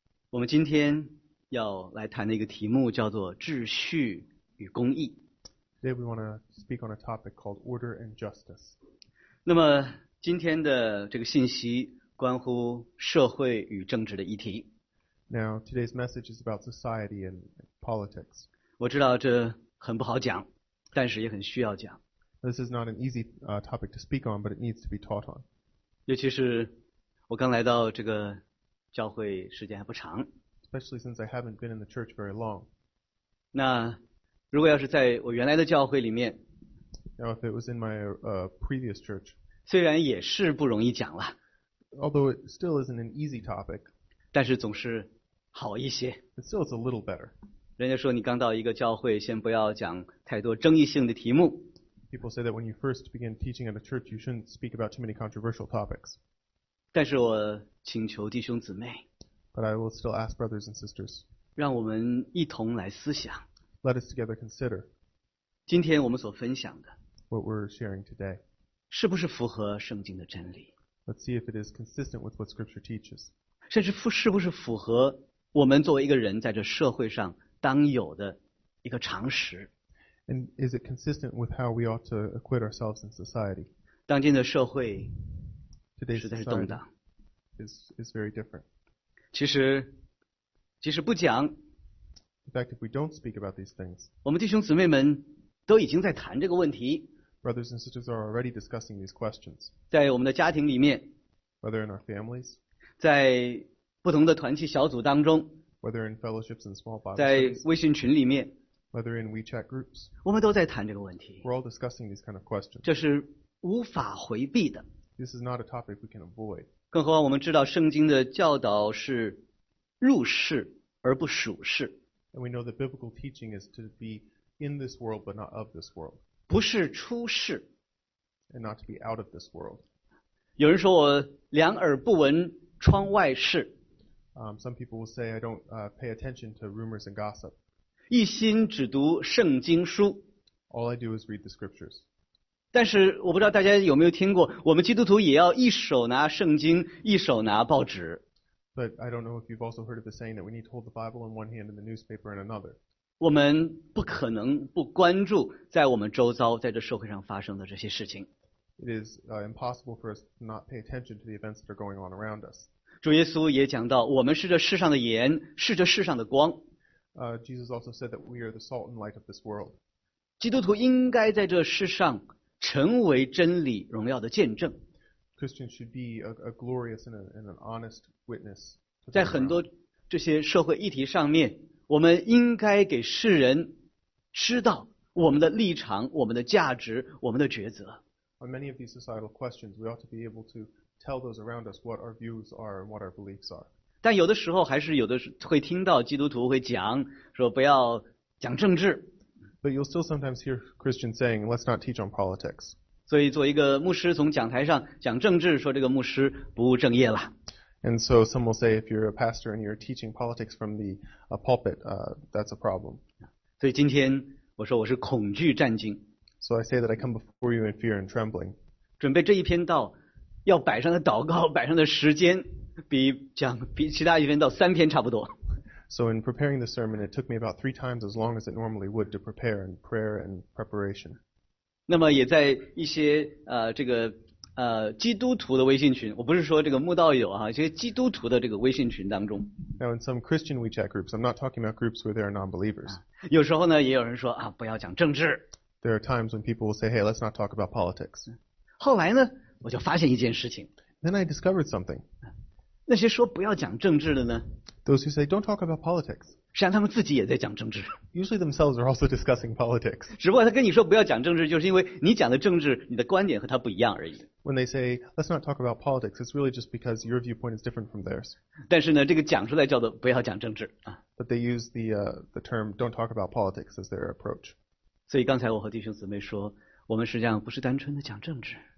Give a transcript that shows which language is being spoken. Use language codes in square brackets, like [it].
[zh] 我们今天要来谈的一个题目叫做秩序与公义。 [en] Today we want to speak on a topic called order and justice. [zh] 那么今天的这个信息关乎社会与政治的议题。 [en] Now, today's message is about society and politics. [zh] 我知道这很不好讲，但是也很需要讲。 [en] This is not an easy topic to speak on, but it needs to be taught on. [zh] 尤其是我刚来到这个教会时间还不长。 [en] Especially since I haven't been in the church very long. [zh] 那如果要是在我原来的教会里面 [en] Now, if it was in my previous church, [zh] 虽然也是不容易讲了 [en] although it still isn't an easy topic, [zh] 但是总是好一些 [en] but still it's a little better. [zh] 人家说你刚到一个教会先不要讲太多争议性的题目 [en] People say that when you first begin teaching at a church you shouldn't speak about too many controversial topics. [zh] 但是我请求弟兄姊妹 [en] But I will still ask brothers and sisters. [zh] 让我们一同来思想 [en] Let us together consider. [zh] 今天我们所分享的 [en] What we're sharing today. [zh] 是不是符合圣经的真理 [en] Let's see if it is consistent with what scripture teaches. [zh] 甚至是不是符合我们作为一个人在这社会上当有的一个常识。 [en] And is it consistent with how we ought to acquit ourselves in society? [zh] 当今的社会 [en] ，today's society [zh] 实在是动荡。 [en] Is very different. [zh] 其实，即使不讲 [en] ，In fact, if we don't speak about these things, [zh] 我们弟兄姊妹们都已经在谈这个问题。 [en] Brothers and sisters are already discussing these questions. [zh] 在我们的家庭里面 [en] ，whether in our families, [zh] 在不同的团契小组当中 [en] ，whether in fellowships and small bodies, [zh] 在微信群里面。 [en] Whether in WeChat groups, [zh] 我们都在谈这个问题。 [en] We're all discussing these kind of questions. [zh] 这是无法回避的。 [en] This is not a topic we can avoid. [zh] 更何况我们知道圣经的教导是入世而不属世。 [en] And we know that biblical teaching is to be in this world but not of this world. [zh] 不是出世。 [en] And not to be out of this world. [zh] 有人说我两耳不闻窗外事。 [en] Some people will say I don't pay attention to rumors and gossip. [zh] 一心只读圣经书。 [en] All I do is read the scriptures. [zh] 但是我不知道大家有没有听过，我们基督徒也要一手拿圣经，一手拿报纸。 [en] But I don't know if you've also heard of the saying that we need to hold the Bible in one hand and the newspaper in another. [zh] 我们不可能不关注在我们周遭，在这社会上发生的这些事情。 [en] It is impossible for us to not pay attention to the events that are going on around us. [zh] 主耶稣也讲到，我们是这世上的盐，是这世上的光。 [en] Jesus also said that we are the salt and light of this world. [zh] 基督徒应该在这世上成为真理荣耀的见证。 [en] Christians should be a glorious and an honest witness. [zh] 在很多这些社会议题上面，我们应该给世人知道我们的立场、我们的价值、我们的抉择。 [en] On many of these societal questions, we ought to be able to tell those around us what our views are and what our beliefs are. [zh] 但有的时候还是有的会听到基督徒会讲说不要讲政治。 [en] But you'll still sometimes hear Christians saying, let's not teach on politics. [zh] 所以做一个牧师从讲台上讲政治，说这个牧师不务正业了。 [en] And so some will say, if you're a pastor and you're teaching politics from the pulpit, that's a problem. [zh] 所以今天我说我是恐惧战惊。 [en] So I say that I come before you in fear and trembling. [zh] 准备这一篇道要摆上的祷告，摆上的时间比其他一篇到三篇差不多。 [en] So in preparing the sermon, it took me about three times as long as it normally would to prepare in prayer and preparation. [zh] 那么也在一些这个基督徒的微信群，我不是说这个慕道友啊，一些基督徒的这个微信群当中。 [en] Now in some Christian WeChat groups, I'm not talking about groups where there are non-believers. [zh] 有时候呢，也有人说啊，不要讲政治。 [en] There are times when people will say, "Hey, let's not talk about politics." [zh] 后来呢，我就发现一件事情。 [en] Then I discovered something. [zh] 那些说不要讲政治的呢 [en] ？Those who say don't talk about politics， [zh] 实际上他们自己也在讲政治。 [en] Usually themselves are also discussing politics。 [zh] 只不过他跟你说不要讲政治，就是因为你讲的政治，你的观点和他不一样而已。 [en] When they say let's not talk about politics, it's really just because your viewpoint is different from theirs。 [zh] 但是呢，这个讲出来叫做不要讲政治啊。 [en] But they use the term don't talk about politics as their approach。 [zh] 所以刚才我和弟兄姊妹说，我们实际上不是单纯的讲政治。